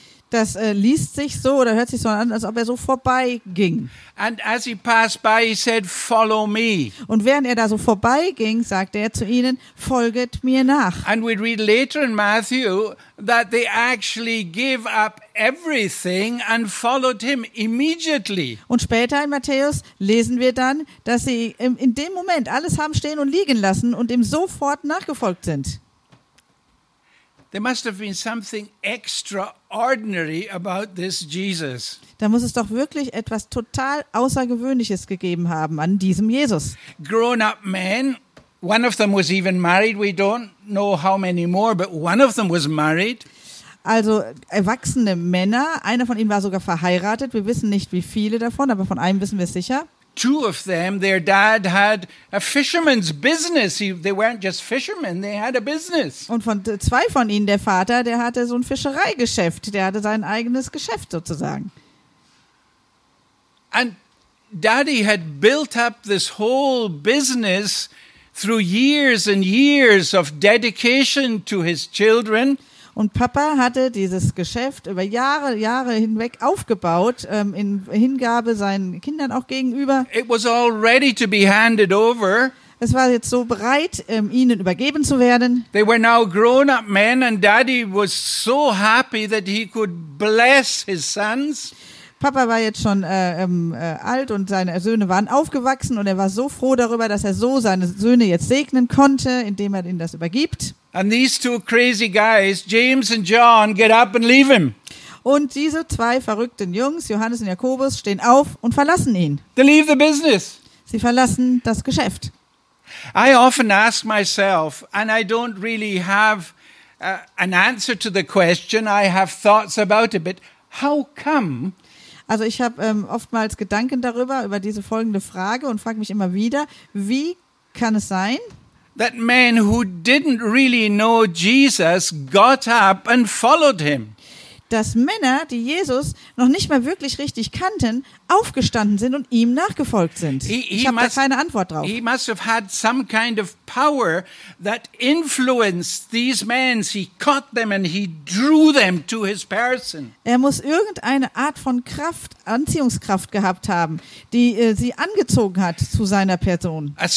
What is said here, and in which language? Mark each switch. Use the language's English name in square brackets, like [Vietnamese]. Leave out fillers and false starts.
[German] Das liest sich so oder hört sich so an, als ob er so vorbeiging. [English] And as he passed by, he said, "Follow me." [German] Und während er da so vorbeiging, sagte er zu ihnen, folget mir nach. [English] And we read later in Matthew that they actually gave up everything and followed him immediately. [German] Und später in Matthäus lesen wir dann, dass sie in dem Moment alles haben stehen und liegen lassen und ihm sofort nachgefolgt sind. [English] There must have been something extraordinary about this Jesus. [German] Da muss es doch wirklich etwas total Außergewöhnliches gegeben haben an diesem Jesus. [English] Grown-up men, one of them was even married. We don't know how many more, but one of them was married. [German] Also erwachsene Männer, einer von ihnen war sogar verheiratet. Wir wissen nicht, wie viele davon, aber von einem wissen wir sicher. [English] Two of them, their dad had a fisherman's business. They weren't just fishermen, they had a business. [German] Und von zwei von ihnen, der Vater, der hatte so ein Fischereigeschäft. Der hatte sein eigenes Geschäft sozusagen. [English] And daddy had built up this whole business through years and years of dedication to his children. [German] Und Papa hatte dieses Geschäft über Jahre hinweg aufgebaut, in Hingabe seinen Kindern auch gegenüber. [English] It was all ready to be handed over. [German] Es war jetzt so bereit, ihnen übergeben zu werden. [English] They were now grown-up men and Daddy was so happy that he could bless his sons. [German] Papa war jetzt schon alt und seine Söhne waren aufgewachsen und er war so froh darüber, dass er so seine Söhne jetzt segnen konnte, indem er ihnen das übergibt. [English] And these two crazy guys, James and John, get up and leave him. [German] Und diese zwei verrückten Jungs, Johannes und Jakobus, stehen auf und verlassen ihn. [English] They leave the business. [German] Sie verlassen das Geschäft. [English] I often ask myself, and I don't really have an answer to the question, I have thoughts about it, but how come? [German] Also ich habe oftmals Gedanken darüber, über diese folgende Frage und frage mich immer wieder, wie kann es sein, [English] that men who didn't really know Jesus got up and followed him. [German] Dass Männer, die Jesus noch nicht mal wirklich richtig kannten, aufgestanden sind und ihm nachgefolgt sind. Ich habe da keine Antwort drauf. [English] He must have had some kind of power that influenced these men. He caught them and he drew them to his person. [German] Er muss irgendeine Art von Kraft, Anziehungskraft gehabt haben, die sie angezogen hat zu seiner Person.